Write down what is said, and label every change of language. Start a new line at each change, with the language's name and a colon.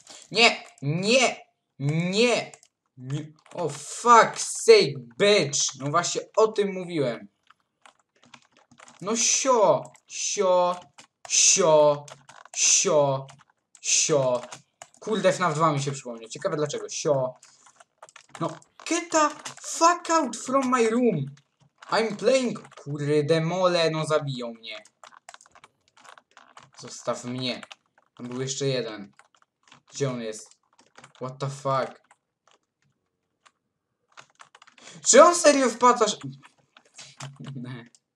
Polish: Nie! Nie! Nie! Nie!
English: Oh, fuck sake, bitch!
Polish: No właśnie o tym mówiłem. No sio! Sio! Sio! Sio! Sio! CoolDefNav2 mi się przypomniał. Ciekawe dlaczego. Sio. No.
English: Get the fuck out from my room. I'm playing.
Polish: Kurde mole, no zabiją mnie. Zostaw mnie. Tam był jeszcze jeden. Gdzie on jest?
English: What the fuck?
Polish: Czy on serio wpadł? Nie.